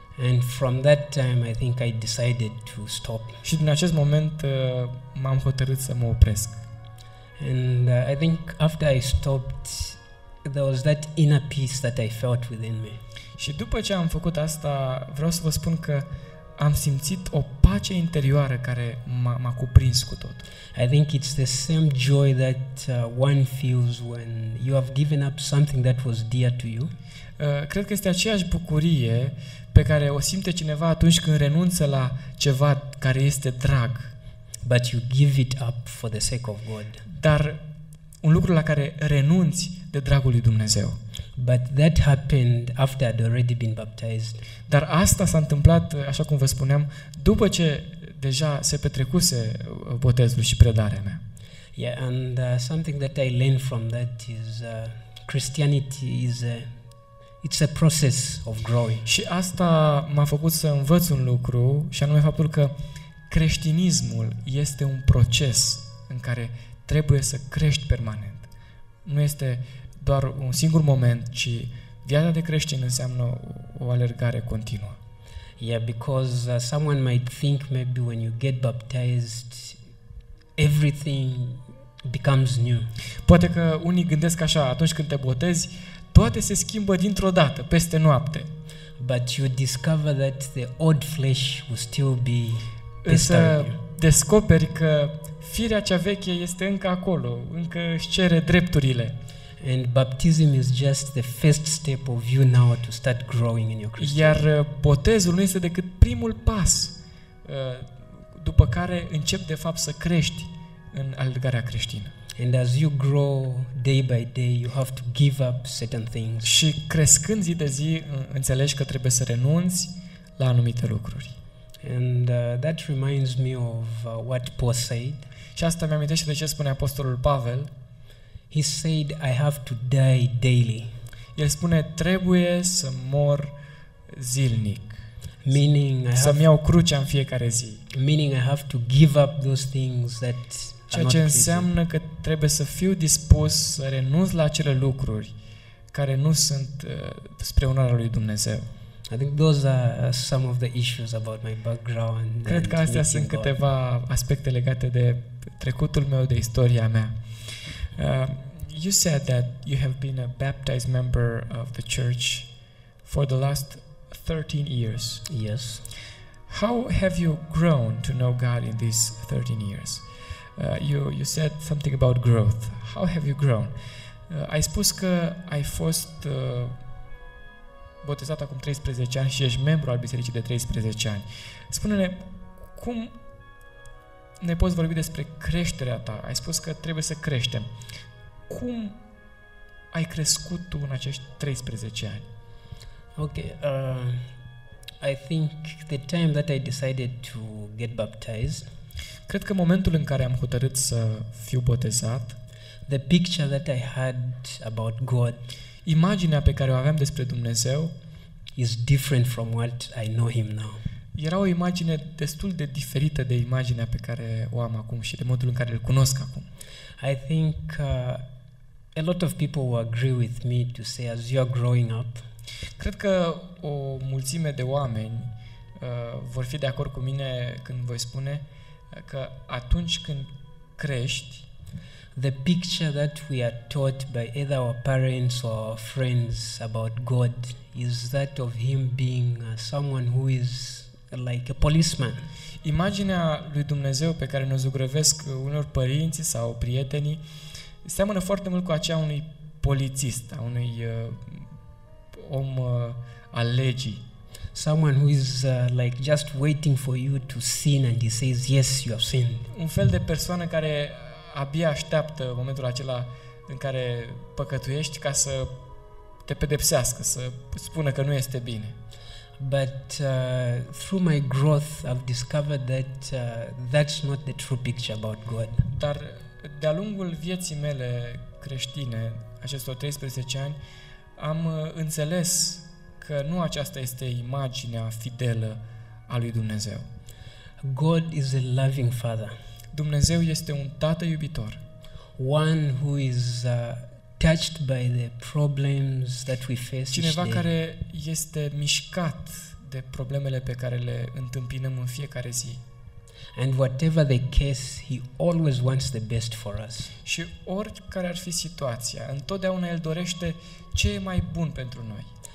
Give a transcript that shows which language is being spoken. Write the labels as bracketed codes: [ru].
[en] And from that time I think I decided to stop. [ro] Și din acest moment m-am hotărât să mă opresc. [en] And I think after I stopped there was that inner peace that I felt within me. [ro] Și după ce am făcut asta, vreau să vă spun că am simțit o pace interioară care m-a cuprins cu tot. [en] I think it's the same joy that one feels when you have given up something that was dear to you. [ro] Cred că este aceeași bucurie pe care o simte cineva atunci când renunță la ceva care este drag. [en] But you give it up for the sake of God. [ro] Dar un lucru la care renunți de dragul lui Dumnezeu. [en] But that happened after I'd already been baptized. [ro] Dar asta s-a întâmplat, așa cum vă spuneam, după ce deja se petrecuse botezul și predarea mea. [en] Yeah, and something that I learned from that is Christianity is it's a process of growing. [ro] Și asta m-a făcut să învăț un lucru, și anume faptul că creștinismul este un proces în care trebuie să crești permanent. Nu este doar un singur moment, ci viața de creștin înseamnă o alergare continuă. [en] Yeah, because someone might think maybe when you get baptized everything becomes new. [ro] Poate că unii gândesc așa, atunci când te botezi, toate se schimbă dintr-o dată, peste noapte. [en] But you discover that the old flesh will still be [ro] Însă descoperi că firea cea veche este încă acolo, încă își cere drepturile. [en] And baptism is just the first step of you now to start growing in your Christianity. [ro] Iar botezul nu este decât primul pas după care începi de fapt să crești în alergarea creștină. [en] And as you grow day by day, you have to give up certain things. [ro] Și crescând zi de zi, înțelegi că trebuie să renunți la anumite lucruri. [en] And that reminds me of what Paul said. [ro] Și asta mi-amintește de ce spune apostolul Pavel. [en] He said I have to die daily. [ro] El spune trebuie să mor zilnic. [en] Meaning [ro] să-mi iau crucea în fiecare zi. [en] Meaning I have to give up those things that [ro] ceea ce înseamnă că trebuie să fiu dispus să renunț la acele lucruri care nu sunt spre onoarea lui Dumnezeu. [en] I think those are some of the issues about my background. [ro] Cred că astea sunt câteva aspecte legate de trecutul meu, de istoria mea. [en] You said that you have been a baptized member of the church for the last 13 years. Yes. How have you grown to know God in these 13 years? You said something about growth. How have you grown? [ro] Ai spus că ai fost botezat acum 13 ani și ești membru al bisericii de 13 ani. Spune-ne, cum ne poți vorbi despre creșterea ta? Ai spus că trebuie să creștem. Cum ai crescut tu în acești 13 ani? [en] Ok, I think the time that I decided to get baptized. [ro] Cred că momentul în care am hotărât să fiu botezat, [en] the picture that I had about God, [ro] imaginea pe care o aveam despre Dumnezeu [en] is different from what I know him now. [ro] Era o imagine destul de diferită de imaginea pe care o am acum și de modul în care îl cunosc acum. [en] I think a lot of people will agree with me to say as you are growing up. [ro] Cred că o mulțime de oameni vor fi de acord cu mine când voi spune că atunci când crești, [en] the picture that we are taught by either our parents or our friends about God is that of him being someone who is like a policeman. [ro] Imaginea lui Dumnezeu pe care ne-o zugrăvesc unor părinți sau prietenii seamănă foarte mult cu aceea unui polițist, a unui om al legii. [en] Someone who is like just waiting for you to sin and he says yes, you have sinned. [ro] Un fel de persoană care abia așteaptă momentul acela în care păcătuiești ca să te pedepsească, să spună că nu este bine. [en] But through my growth I've discovered that that's not the true picture about God. [ro] Dar de-a lungul vieții mele creștine, acestor 13 ani, am înțeles că nu aceasta este imaginea fidelă a lui Dumnezeu. [en] God is a loving father. [ro] Dumnezeu este un tată iubitor. [en] One who is touched by the problems that we face. [ro] Cineva care este mișcat de problemele pe care le întâmpinăm în fiecare zi. [en] And whatever the case, he always wants the best for us. [ro] Și oricare ar fi situația, întotdeauna el dorește ce e mai bun pentru noi.